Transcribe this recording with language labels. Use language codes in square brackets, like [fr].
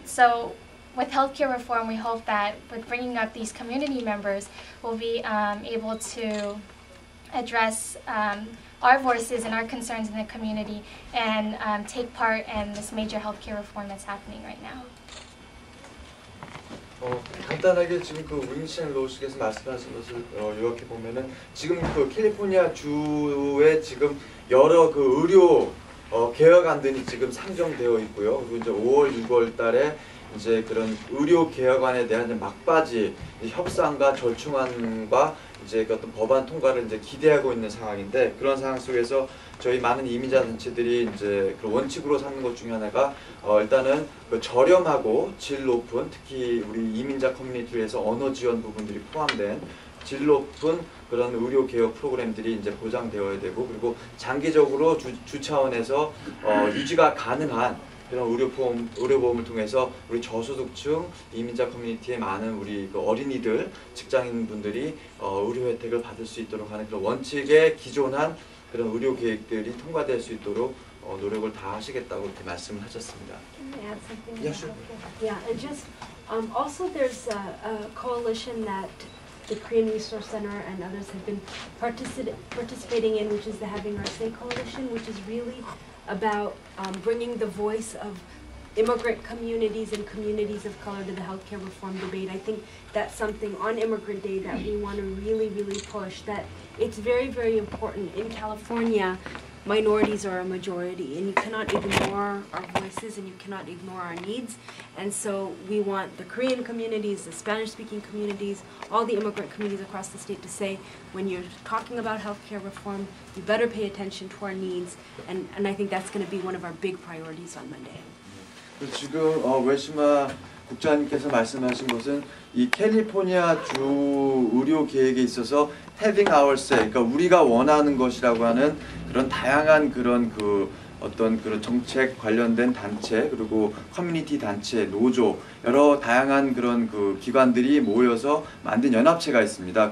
[en] So with healthcare reform, we hope that with bringing up these community members, we'll be able to address our voices and our concerns in the community and take part in this major healthcare reform that's happening right now. [ko] 간단하게 지금 그 윈신 로우씨께서 말씀하신 것을 요약해 보면은 지금 그 캘리포니아 주에 지금 여러 그 의료 개혁안들이 지금 상정되어 있고요. 그리고 이제 5월, 6월 달에 이제 그런 의료 개혁안에 대한 이제 막바지 이제 협상과 절충안과 이제 그 어떤 법안 통과를 이제 기대하고 있는 상황인데, 그런 상황 속에서 저희 많은 이민자 단체들이 이제 그 원칙으로 삼는 것 중에 하나가 일단은 그 저렴하고 질 높은, 특히 우리 이민자 커뮤니티를 위해서 언어 지원 부분들이 포함된 질 높은 그런 의료 개혁 프로그램들이 이제 보장되어야 되고, 그리고 장기적으로 주 차원에서 유지가 가능한 그런 의료보험을 통해서 우리 저소득층 이민자 커뮤니티에 많은 우리 그 어린이들, 직장인분들이 의료 혜택을 받을 수 있도록 하는 그런 원칙에 기존한 그런 의료 계획들이 통과될 수 있도록 노력을 다 하시겠다고 이렇게 말씀을 하셨습니다. [en] Can I add something? Yeah, sure. Yeah, and just also there's a coalition that the Korean Resource Center and others have been participating in, which is the Having Our Say Coalition, which is really about bringing the voice of immigrant communities and communities of color to the healthcare reform debate. I think that's something on Immigrant Day that we want to really, really push, that it's very, very important. In California, minorities are a majority, and you cannot ignore our voices and you cannot ignore our needs. And so we want the Korean communities, the Spanish-speaking communities, all the immigrant communities across the state to say, when you're talking about healthcare reform, you better pay attention to our needs. And I think that's going to be one of our big priorities on Monday. [ko] 지금 외시마 국장님께서 말씀하신 것은 이 캘리포니아 주 의료 계획에 있어서 [en] having our say, [ko] 그러니까 우리가 원하는 것이라고 하는 그런 다양한 그런 그 어떤 그런 정책 관련된 단체, 그리고 커뮤니티 단체, 노조, 여러 다양한 그런 그 기관들이 모여서 만든 연합체가 있습니다.